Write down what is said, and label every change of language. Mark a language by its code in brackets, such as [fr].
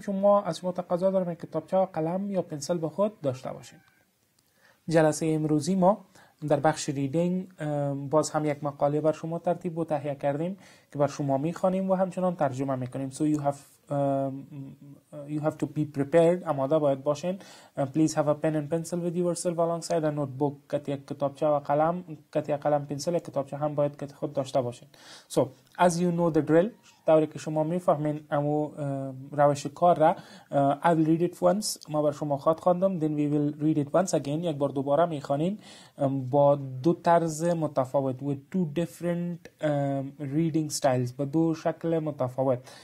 [fa] شما از شما تقاضا دارم که کتابچه و قلم یا پنسل با خود داشته باشین. جلسه امروزی ما در بخش ریدینگ باز هم یک مقاله بر شما ترتیب و تهیه کردیم که بر شما میخوانیم و همچنان ترجمه میکنیم. [en] So you have to be prepared. [fa] اماده باید باشین. [en] Please have a pen and pencil with yourself alongside a notebook. [fa] کت یک کتابچه و قلم، کت یک قلم پنسل یک کتابچه هم باید کت خود داشته باشین. [en] So as you know the drill، [fa] طوری که شما میفهمین امو روش کار را، [en] I will read it once، [fa] ما بر شما خواد خواندم، [en] then we will read it once again، [fa] یک بار دوباره میخوانین با دو طرز متفاوت، [en] with two different reading styles، [fa] با دو شکل متفاوت.